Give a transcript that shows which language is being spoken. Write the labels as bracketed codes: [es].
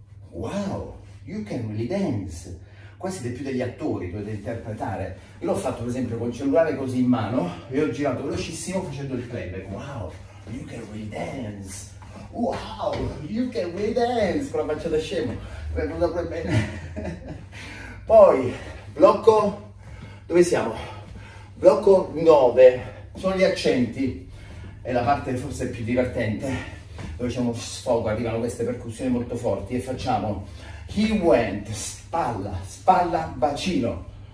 [en] Wow, you can really dance. [it] Qua siete più degli attori, dovete interpretare. Io l'ho fatto, per esempio, con il cellulare così in mano e ho girato velocissimo facendo il playback. [en] Wow, you can really dance. Wow, you can really dance. [it] Con la faccia da scemo. Mi è venuto proprio bene. Poi, blocco... Dove siamo? Blocco 9. Sono gli accenti. È la parte forse più divertente. Dove c'è uno sfogo, arrivano queste percussioni molto forti. E facciamo... [en] He went, [it] spalla, spalla, bacino.